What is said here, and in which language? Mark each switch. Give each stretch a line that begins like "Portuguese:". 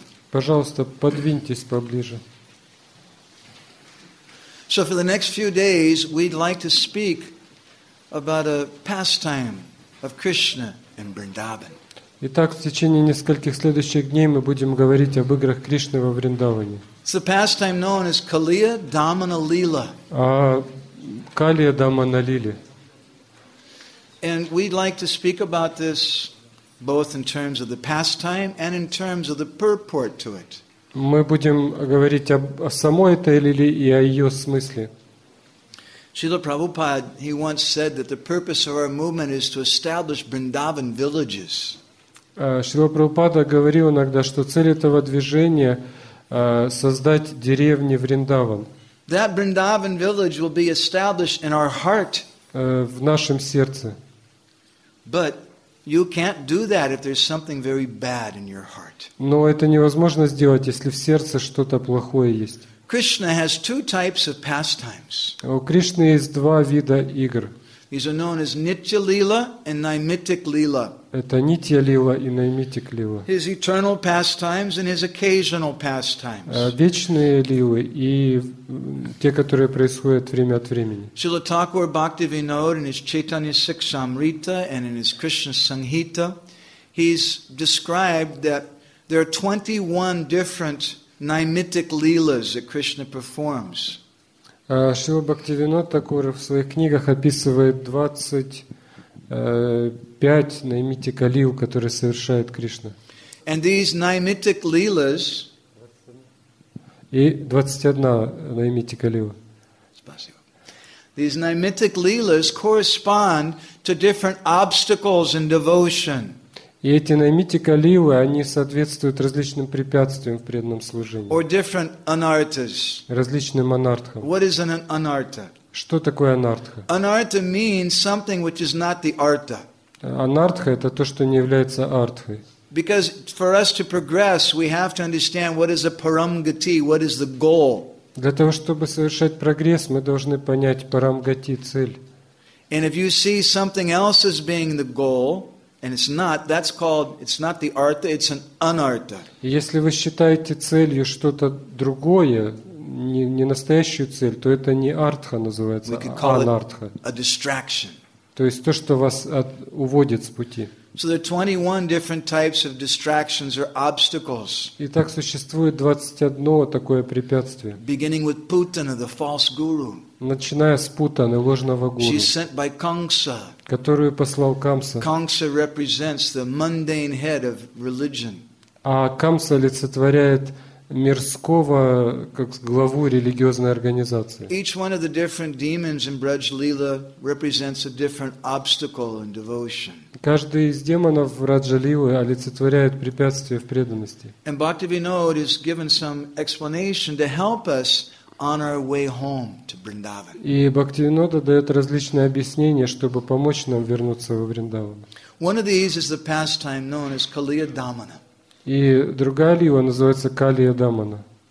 Russian: Пожалуйста, подвиньтесь поближе.
English: So for the next few days, we'd like to speak about a pastime of Krishna in Vrindavan.
Russian: Итак, в течение нескольких следующих дней мы будем говорить об играх Кришны во Вриндаване.
English: It's the pastime known as Kaliya Damana Lila. Kaliya Damana Lila. And we'd like to speak about this both in terms of the pastime and in terms of the purport to it.
Russian: Мы будем говорить о самой этой лиле и о ее смысле.
English: Srila Prabhupada, he once said that the purpose of our movement is to establish Vrindavan villages.
Russian: Шрила Прабхупада говорил иногда, что цель этого движения создать деревни Вриндаван.
English: That Vrindavan village will be established in our heart.
Russian: В нашем сердце.
English: But you can't do that if there's something very bad in your heart.
Russian: Но это невозможно сделать, если в сердце что-то плохое есть.
English: Krishna has two types of pastimes.
Russian: У Кришны есть два вида игр.
English: These are known as Nitya Lila and Naimittik Lila.
Russian: Это Нитья Лила и Наймитик Лила.
English: His eternal pastimes and his occasional pastimes.
Russian: Вечные лилы и те, которые происходят время от времени.
English: Srila Thakur Bhaktivinod in his Chaitanya Sikshamrita and in his Krishna Sanghita, he's described that there are 21 different Naimittik Lilas that Krishna performs.
Russian: Шрила Бхактивинода Тхакур в своих книгах описывает 25 наймитика лил, которые совершает Кришна.
English: And these naimitic lilas,
Russian: и 21 наймитика лила.
English: These naimitic lilas correspond to different obstacles in devotion.
Russian: И эти наймитика лилы, они соответствуют различным препятствиям в преданном служении.
English: Or different anarthas.
Russian: Различным анартхам.
English: What is an anartha?
Russian: Что такое анартха?
English: Anartha means something which is not the artha.
Russian: Анартха — это то, что не является артхой.
English: Because for us to progress, we have to understand what is a paramgati, what is the goal.
Russian: Для того, чтобы совершать прогресс, мы должны понять парамгати, цель.
English: And if you see something else as being the goal, and it's not, that's called, it's not the artha, it's an anartha.
Russian: Если вы считаете целью что-то другое, не настоящую цель, то это не артха называется,
English: we could call
Russian: а анартха.
English: It a distraction.
Russian: То есть то, что вас уводит с пути.
English: So there are 21 different types of distractions or obstacles.
Russian: Итак, существует 21 такое препятствие.
English: Beginning with Putana, the false guru.
Russian: Начиная с Путаны, ложного гуру.
English: She's sent by Kamsa.
Russian: Которую послал Камса.
English: Kamsa represents the mundane head of religion.
Russian: А Камса олицетворяет мирского как главу религиозной организации.
English: Each one of the different demons in Braj Lila represents a different obstacle in devotion.
Russian: Каждый из демонов Раджа-лилы олицетворяет препятствие в преданности.
English: And Bhaktivinoda is given some explanation to help us on our way home to Vrindavan.
Russian: И Бхактивинода дает различные объяснения, чтобы помочь нам вернуться во Вриндаван.
English: One of these is the pastime known as Kaliya Damana.
Russian: И другая лила называется Калия Дамана.